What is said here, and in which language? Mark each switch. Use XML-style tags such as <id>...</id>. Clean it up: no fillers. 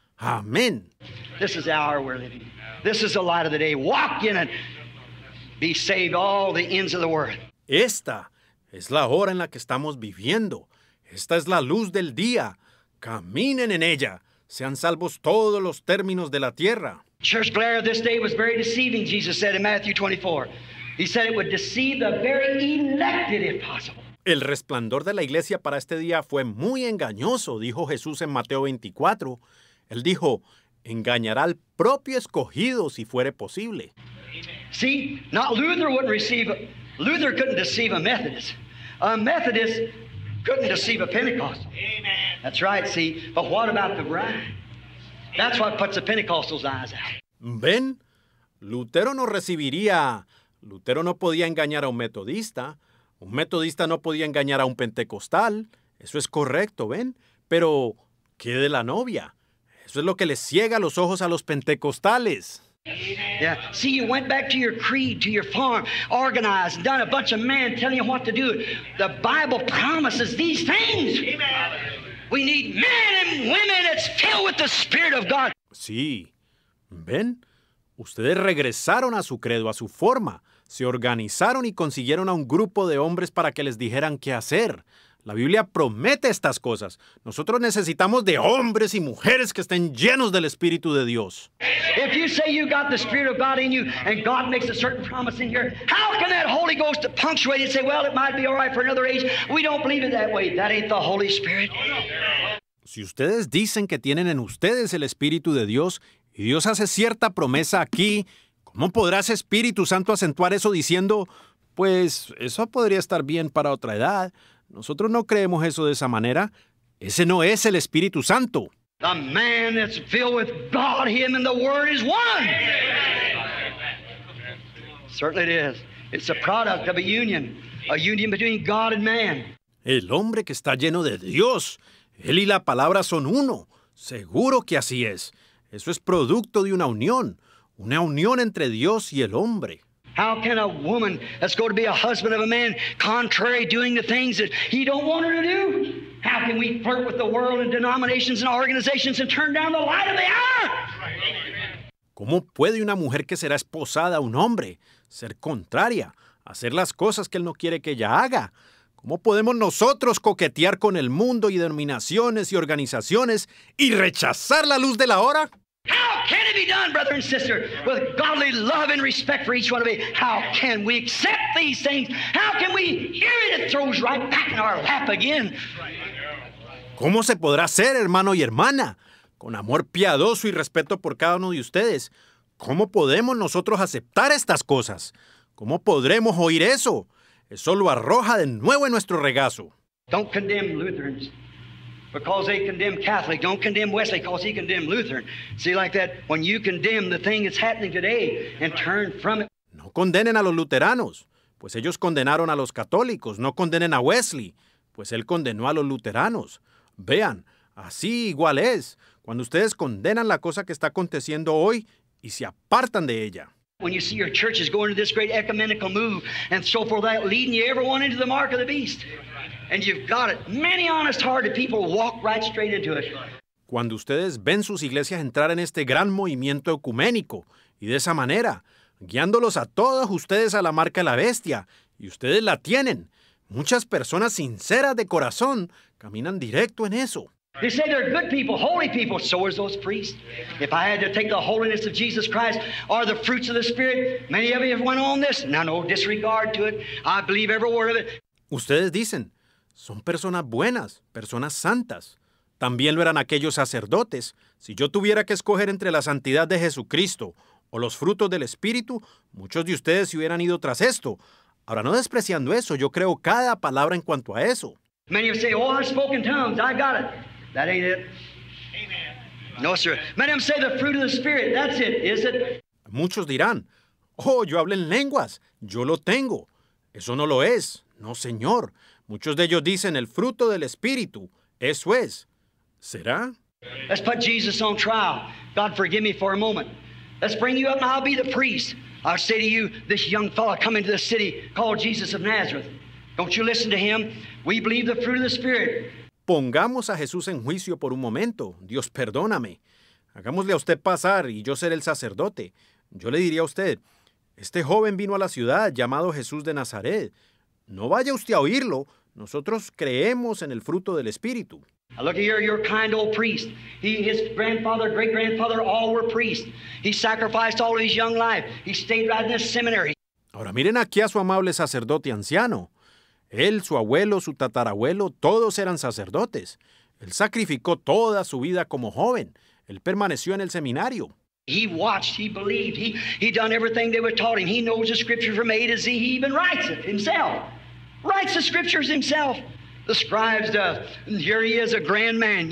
<es>Amén.</es> <en>This is the hour we're living. This is the light of the day. Walk in it. Be saved all the ends of the world.</en> <es>Esta es la hora en la que estamos viviendo. Esta es la luz del día. Caminen en ella. Sean salvos todos los términos de la tierra.</es> <en>Church glare of this day was very deceiving, Jesus said in Matthew 24. He said it would deceive the very elected if possible.</en> <es>El resplandor de la iglesia para este día fue muy engañoso, dijo Jesús en Mateo 24. Él dijo, engañará al propio escogido si fuere posible.</es> <en>See, not Luther wouldn't receive, Luther couldn't deceive a Methodist. A Methodist couldn't deceive a Pentecostal. Amen. That's right, see, but what about the bride? That's what puts the Pentecostal's eyes out.</en> <es>Ben, Lutero no recibiría, Lutero no podía engañar a un metodista. Un metodista no podía engañar a un pentecostal. Eso es correcto, ¿ven? Pero, ¿qué de la novia? Eso es lo que le ciega los ojos a los pentecostales.</es> <en>Yeah. See, you went back to your creed, to your farm, organized, done a bunch of man telling you what to do. The Bible promises these things. Amen. We need men and women that's filled with the Spirit of God.</en> <es>Sí, ¿ven? Ustedes regresaron a su credo, a su forma. Se organizaron y consiguieron a un grupo de hombres para que les dijeran qué hacer. La Biblia promete estas cosas. Nosotros necesitamos de hombres y mujeres que estén llenos del Espíritu de Dios.</es> <en>If you say you got the Spirit of God in you and God makes a certain promise in here, how can that Holy Ghost punctuate and say, well, it might be all right for another age? We don't believe it that way. That ain't the Holy Spirit.</en> <es>Si ustedes dicen que tienen en ustedes el Espíritu de Dios y Dios hace cierta promesa aquí, ¿cómo podrás Espíritu Santo acentuar eso diciendo, pues, eso podría estar bien para otra edad? Nosotros no creemos eso de esa manera. Ese no es el Espíritu Santo.</es> <en>The man that's filled with God, him and the Word is one. Certainly it is. It's a product of a union between God and man.</en> <es>El hombre que está lleno de Dios, él y la palabra son uno. Seguro que así es. Eso es producto de una unión. Una unión entre Dios y el hombre.</es> <en>How can a woman that's going to be a husband of a man contrary doing the things that he don't want her to do? How can we flirt with the world and denominations and organizations and turn down the light of the hour?</en> <es>¿Cómo puede una mujer que será esposada a un hombre ser contraria, hacer las cosas que él no quiere que ella haga? ¿Cómo podemos nosotros coquetear con el mundo y denominaciones y organizaciones y rechazar la luz de la hora?</es> <en>How can it be done, brother and sister, with godly love and respect for each one of you? How can we accept these things? How can we hear it? It throws right back in our lap again.</en> <es>¿Cómo se podrá hacer, hermano y hermana, con amor piadoso y respeto por cada uno de ustedes? ¿cómo podemos nosotros aceptar estas cosas? ¿Cómo podremos oír eso? Eso lo arroja de nuevo en nuestro regazo.</es> <en>Don't condemn Lutherans because they condemn Catholics. Don't condemn Wesley because he condemned Lutheran. See, like that, when you condemn the thing that's happening today and turn from it.</en> <es>No condenen a los luteranos, pues ellos condenaron a los católicos. No condenen a Wesley, pues él condenó a los luteranos. Vean, así igual es. Cuando ustedes condenan la cosa que está aconteciendo hoy y se apartan de ella.</es> <en>When you see your churches going to this great ecumenical move and so forth, that leading you everyone into the mark of the beast. And you've got it. Many honest-hearted people walk right straight into it.</en> <es>Cuando ustedes ven sus iglesias entrar en este gran movimiento ecuménico y de esa manera, guiándolos a todos ustedes a la marca de la bestia, y ustedes la tienen, muchas personas sinceras de corazón caminan directo en eso.</es> <en>They say they're good people, holy people. So are those priests. If I had to take the holiness of Jesus Christ or the fruits of the Spirit, many of you have went on this. Now, no disregard to it. I believe every word of it.</en> <es>Ustedes dicen, son personas buenas, personas santas. También lo eran aquellos sacerdotes. Si yo tuviera que escoger entre la santidad de Jesucristo o los frutos del Espíritu, muchos de ustedes se hubieran ido tras esto. Ahora, no despreciando eso, yo creo cada palabra en cuanto a eso.</es> <en>Many of you say, oh, I spoke in tongues. I got it. That ain't it. Amen. No, sir. Many of them say the fruit of the Spirit. That's it. Is it?</en> <es>Muchos dirán, oh, yo hablo en lenguas. Yo lo tengo. Eso no lo es. No, señor. Muchos de ellos dicen el fruto del Espíritu. Eso es. ¿Será?</es> <en>Let's put Jesus on trial. God, forgive me for a moment. Let's bring you up and I'll be the priest. I say to you, this young fellow come into the city called Jesus of Nazareth. Don't you listen to him. We believe the fruit of the Spirit.</en> <es>Pongamos a Jesús en juicio por un momento. Dios, perdóname. Hagámosle a usted pasar y yo seré el sacerdote. Yo le diría a usted, este joven vino a la ciudad llamado Jesús de Nazaret. No vaya usted a oírlo. Nosotros creemos en el fruto del Espíritu.</es> <en>I look at your kind old priest. He, his grandfather, great-grandfather, all were priests. He sacrificed all his young life. He stayed right in this seminary.</en> <es>Ahora miren aquí a su amable sacerdote anciano. Él, su abuelo, su tatarabuelo, todos eran sacerdotes. Él sacrificó toda su vida como joven. Él permaneció en el seminario.</es> <en>He watched, he believed, he done everything they were taught him. He knows the scripture from A to Z. He even writes it himself. Writes the scriptures himself. The scribes do. And here he is, a grand man.</en>